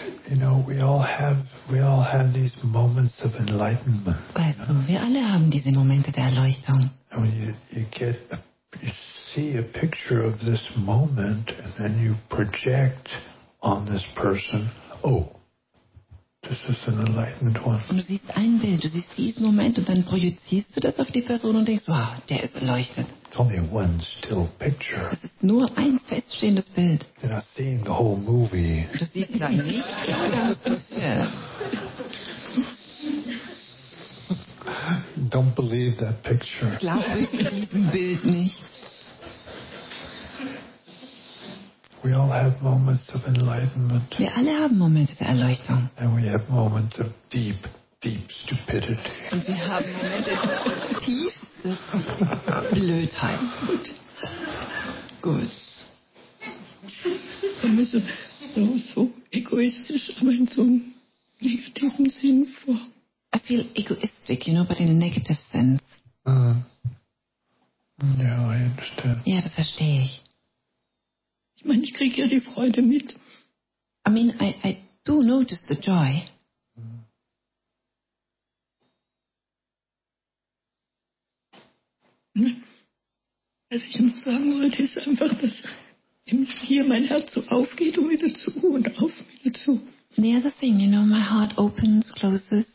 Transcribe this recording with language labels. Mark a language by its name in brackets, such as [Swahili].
[English] You know, we all have these moments of enlightenment. [German] Also, wir alle haben diese Momente der Erleuchtung. [English] And when you see a picture of this moment, and then you project on this person, oh, this is an enlightened one. [German] Und du siehst ein Bild, du siehst diesen Moment, und dann projizierst du das auf die Person und denkst, wow, der ist erleuchtet. [English] Only one still picture. [German] Das ist nur ein feststehendes Bild. [English] You're not seeing the whole movie. [German] Du siehst da nicht das ganze. [English] Don't believe that picture. [German] Glaube diesem Bild nicht. [English] We all have moments of enlightenment. [German] Wir alle haben Momente der Erleuchtung. [English] And we have moments of deep, deep stupidity. [German] Und wir haben Momente der tief. Blödheit. Gut. Ich komme so egoistisch, aber in so einem negativen Sinn vor. [English] I feel egoistic, you know, but in a negative sense. Yeah, I understand. [German] Ja, das verstehe ich. Ich meine, ich kriege ja die Freude mit. [English] I mean, I do notice the joy. [German] Was ich noch sagen wollte, ist einfach, dass hier mein Herz so aufgeht und wieder zu und auf wieder zu. [English] The other thing, you know, my heart opens, closes.